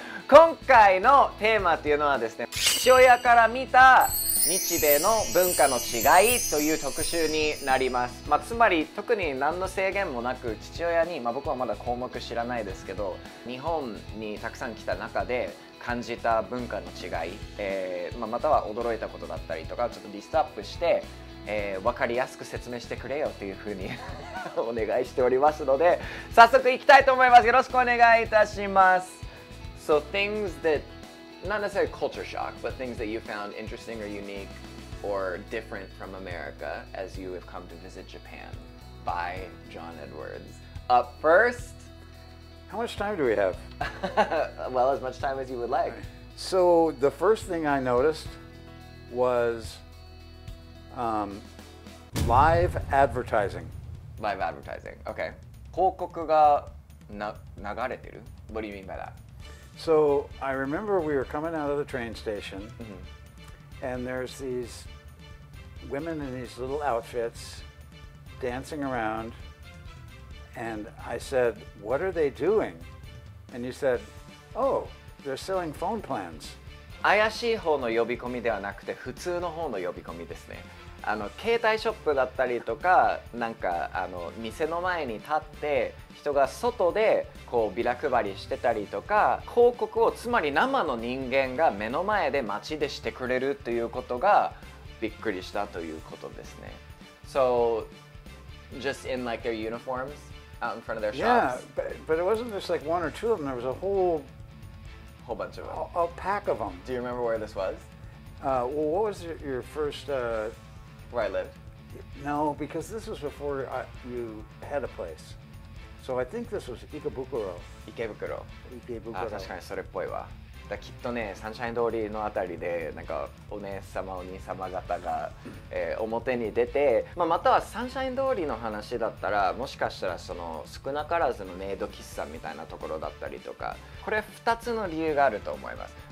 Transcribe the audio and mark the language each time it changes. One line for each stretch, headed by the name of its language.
Japanese: 今回のテーマっていうのはですね、父親から見た日米の文化の違いという特集になります、まあ、つまり特に何の制限もなく父親に、まあ、僕はまだ項目知らないですけど、日本にたくさん来た中で感じた文化の違い、まあ、または驚いたことだったりとかちょっとリストアップして、分かりやすく説明してくれよというふうにお願いしておりますので、早速いきたいと思います。よろしくお願いいたします。
English: So things thatNot necessarily culture shock, but things that you found interesting or unique or different from America as you have come to visit Japan by John Edwards. Up first. How much time do we have? Well, as much time as you would like. So the first thing I noticed was live advertising. Live advertising, okay.
Japanese: 広告が流れてる?
English: What do you mean by that? So I remember we were coming out of the train station、mm-hmm. and there's these women in these little outfits dancing around, and I said, what are they doing? And you said, oh, they're selling phone plans.
Japanese: 怪しい方の呼び込みではなくて普通の方の呼び込みですね。あの携帯ショップだったりとか、なんかあの店の前に立って人が外でこうビラ配りしてたりとか、広告をつまり生の人間が目の前で街でしてくれるということがびっくりしたということですね。
English: So just in like their uniforms out in front of their shops? Yeah, but it wasn't just like one or two of them. There was a whole bunch of them. A pack of them. Do you remember where this was? Well, what was your first... Where I lived. No, because this was before you had a place. So I think this was Ikebukuro. Ikebukuro. Ikebukuro.
Japanese: Ah, 確かにそれっぽいわ。だきっとね、サンシャイン通りのあたりでなんかお姉さまお兄さま方が、表に出て、まあ、またはサンシャイン通りの話だったら、もしかしたらその少なからずのメイド喫茶みたいなところだったりとか、これ2つの理由があると思います。